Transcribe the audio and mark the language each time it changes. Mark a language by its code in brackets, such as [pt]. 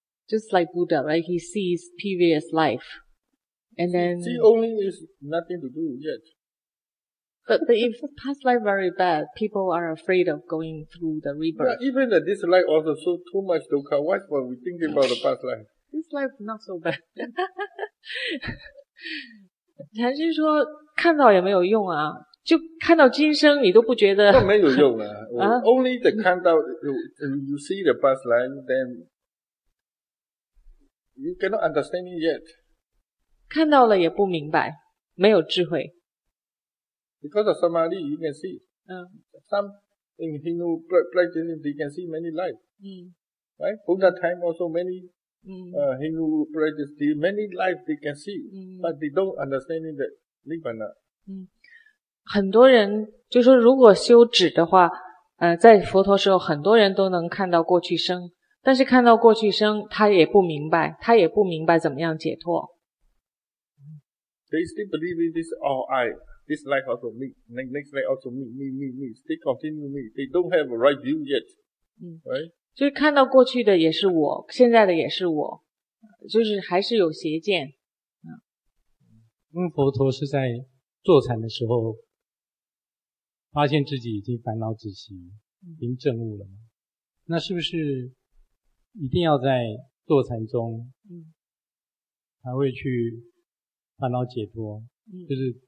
[en] Just like Buddha, right? He sees previous life. And then see only is nothing to do yet. But if past life very bad, people are afraid of going through the rebirth. Yeah, even this life also so too much dukkha. Why are we thinking about the past life? This life not so bad. [zh] 禅师说看到也没有用啊，就看到今生你都不觉得。那没有用啊。 [en] Only the 看到 you see the past life, then you cannot understand it yet. [zh] 看到了也不明白，没有智慧。 [en] Because of samadhi, you can see. Some in Hindu practice, they can see many lives. Right? Buddha time also many Hindu practice, they, many lives they can see. But they don't understand the nibbana. [zh] 很多人就说如果修止的话，在佛陀时候很多人都能看到过去生，但是看到过去生他也不明白，他也不明白怎么样解脱。 [en] They still believe in this all I. This life also me, next life also me. They continue me. They don't have a right view yet, right? [zh] 就是看到过去的也是我，现在的也是我，就是还是有邪见。嗯，佛陀是在坐禅的时候，发现自己已经烦恼止息，已经证悟了吗？那是不是一定要在坐禅中，才会去烦恼解脱？就是。